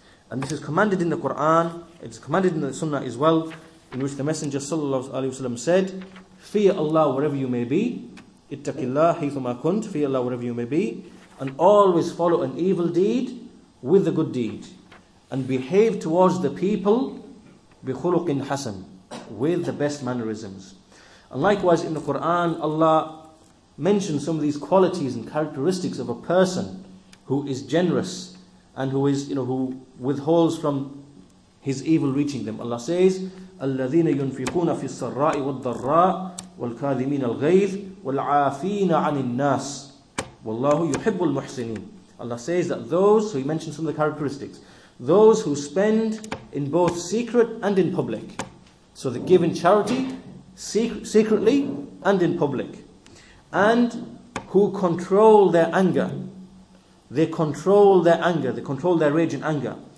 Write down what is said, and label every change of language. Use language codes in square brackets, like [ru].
[en] And this is commanded in the Quran, it's commanded in the Sunnah as well, in which the Messenger said, fear Allah wherever you may be, [ar] ittaqi Allah haythuma kunt, [en] fear Allah wherever you may be, and always follow an evil deed with a good deed, and behave towards the people [ar] bi khuluqin hasan, [en] with the best mannerisms. And likewise in the Quran, Allah mentions some of these qualities and characteristics of a person who is generous and who is, you know, who withholds from his evil reaching them. Allah says, [ar] الَّذِينَ يُنْفِقُونَ فِي السَّرَّاءِ وَالضَّرَّاءِ وَالْكَاذِمِينَ الْغَيْظِ وَالْعَافِينَ عَنِ النَّاسِ وَاللَّهُ يُحِبُّ الْمُحْسِنِينَ. [en] Allah says that those, so he mentions some of the characteristics, those who spend in both secret and in public. So they give in charity, secretly and in public. And who control their anger. They control their anger, they control their rage and anger.